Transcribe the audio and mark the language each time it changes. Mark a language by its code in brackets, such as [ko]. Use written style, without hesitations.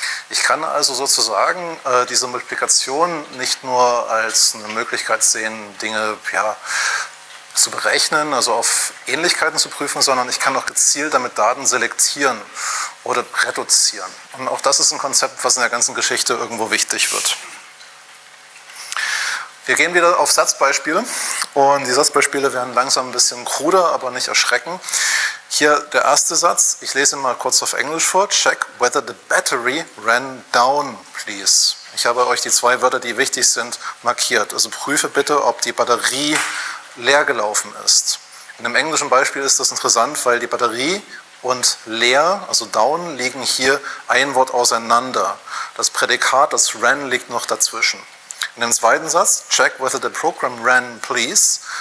[de] Ich kann also sozusagen diese Multiplikation nicht nur als eine Möglichkeit sehen, Dinge zu berechnen, also auf Ähnlichkeiten zu prüfen, sondern ich kann auch gezielt damit Daten selektieren oder reduzieren. Und auch das ist ein Konzept, was in der ganzen Geschichte irgendwo wichtig wird. Wir gehen wieder auf Satzbeispiele und die Satzbeispiele werden langsam ein bisschen kruder, aber nicht erschrecken. Hier der erste Satz, ich lese ihn mal kurz auf Englisch vor. [en] Check whether the battery ran down, please. [de] Ich habe euch die zwei Wörter, die wichtig sind, markiert. Also prüfe bitte, ob die Batterie leer gelaufen ist. In einem englischen Beispiel ist das interessant, weil die Batterie und leer, also down, liegen hier ein Wort auseinander. Das Prädikat, das ran, liegt noch dazwischen. In dem zweiten Satz, [en] check whether the program ran, please.